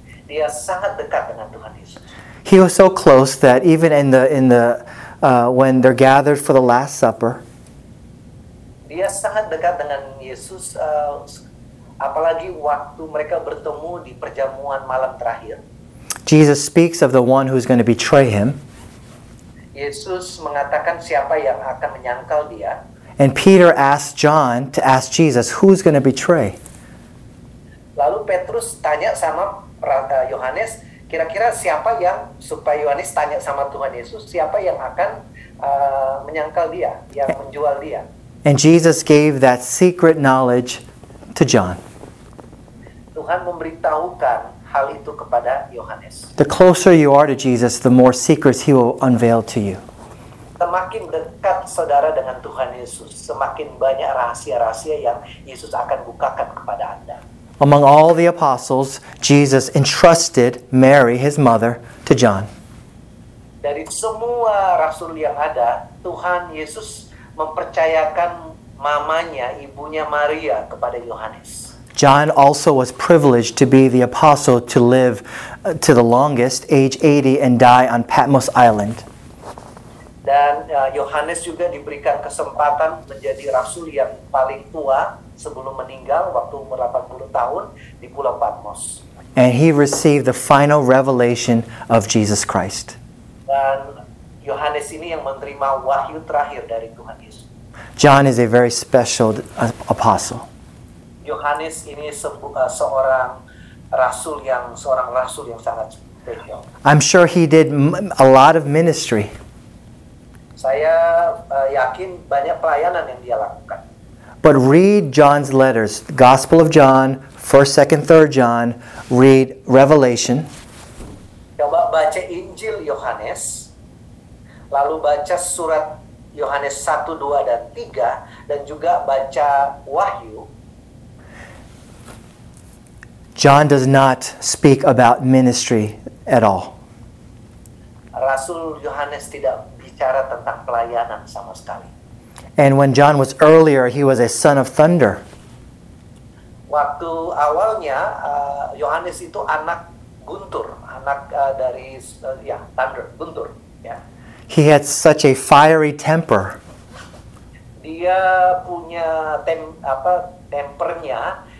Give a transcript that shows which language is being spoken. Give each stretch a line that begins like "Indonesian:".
Indonesian: Dia sangat dekat dengan Tuhan Yesus.
English: He was so close that even when they're gathered for the Last Supper,
Indonesian: dia sangat dekat dengan Yesus, apalagi waktu mereka bertemu di perjamuan malam terakhir.
English: Jesus speaks of the one who's going to betray him.
Indonesian: Yesus mengatakan siapa yang akan menyangkal dia.
English: And Peter asked John to ask Jesus, who's going to betray?
Indonesian: Lalu Petrus tanya sama Yohanes, kira-kira siapa yang, supaya Yohanes tanya sama Tuhan Yesus, siapa yang akan menyangkal dia, yang menjual dia.
English: And Jesus gave that secret knowledge to John.
Indonesian: Tuhan memberitahukan hal itu kepada Yohanes.
English: The closer you are to Jesus, the more secrets he will unveil to you.
Indonesian: Semakin dekat saudara dengan Tuhan Yesus, semakin banyak rahasia-rahasia yang Yesus akan bukakan kepada Anda.
English: Among all the apostles, Jesus entrusted Mary, his mother, to John.
Indonesian: Dari semua rasul yang ada, Tuhan Yesus mempercayakan mamanya, ibunya Maria, kepada Yohanes.
English: John also was privileged to be the apostle to live to the longest, age 80, and die on Patmos Island.
Indonesian: Dan Yohanes juga diberikan kesempatan menjadi rasul yang paling tua sebelum meninggal waktu umur 80 tahun di Pulau Patmos.
English: And he received the final revelation of Jesus Christ.
Indonesian: Dan Yohanes ini yang menerima wahyu terakhir dari Tuhan Yesus.
English: John is a very special apostle.
Indonesian: Yohanes ini seorang rasul yang sangat spesial.
English: I'm sure he did a lot of ministry.
Indonesian: Saya yakin banyak pelayanan yang dia lakukan.
English: But read John's letters, Gospel of John, 1st, 2nd, 3rd John, read Revelation.
Indonesian: Coba baca Injil Yohanes, lalu baca surat Yohanes 1, 2, dan 3, dan juga baca Wahyu.
English: John does not speak about ministry at all.
Indonesian: Rasul Yohanes tidak bicara tentang pelayanan sama sekali.
English: And when John was earlier, he was a son of thunder.
Indonesian: Waktu awalnya, Yohanes itu anak guntur, anak dari thunder, guntur. Yeah.
English: He had such a fiery temper.
Indonesian: Dia punya tempernya.